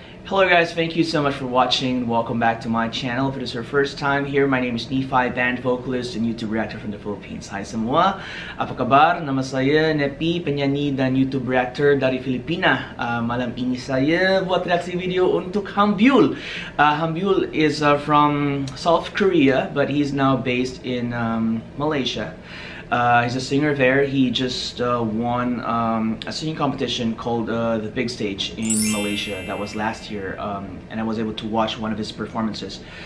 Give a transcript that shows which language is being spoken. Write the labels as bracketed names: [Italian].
[English] Hello guys, thank you so much for watching. Welcome back to my channel. If it is your first time here, my name is Nephi, band vocalist and YouTube reactor from the Philippines. [Indonesian] Hi semua. Apa kabar? Nama saya Nephi, penyanyi dan YouTube reactor dari Filipina. Malam ini saya buat reaksi video untuk BYUL. [English] BYUL is from South Korea, but he's now based in Malaysia. He's a singer there. He just won a singing competition called The Big Stage in Malaysia. That was last year, and I was able to watch one of his performances.